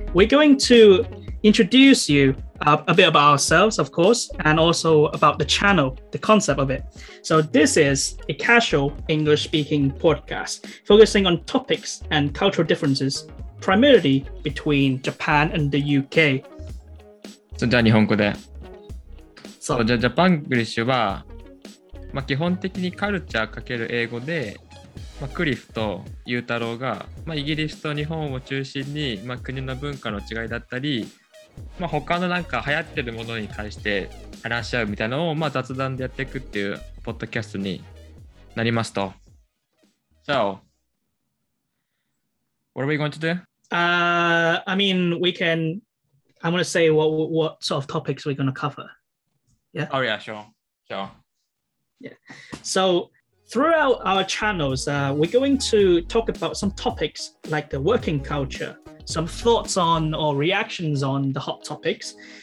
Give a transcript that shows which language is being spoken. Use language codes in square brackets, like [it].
[en] We're going to introduce you a bit about ourselves, of course, and also about the channel, the concept of it. So this is a casual English-speaking podcast focusing on topics and cultural differences, primarily between Japan and the UK. [ja] So, じゃあ日本語で。そう、じゃあジャパングリッシュは、まあ、基本的にカルチャーかける英語で、まあ、クリフとユータローが、まあ、イギリスと日本を中心に、まあ、国の文化の違いだったり、まあ、他のなんか流行ってるものに対して話し合うみたいなのを、まあ、雑談でやっていくっていうポッドキャストになりますと。 [en] So, what are we going to do? I'm going to say what sort of topics we're going to cover. Yeah. Oh, yeah, sure. Yeah. So throughout our channels, we're going to talk about some topics like the working culture, some thoughts on or reactions on the hot topics.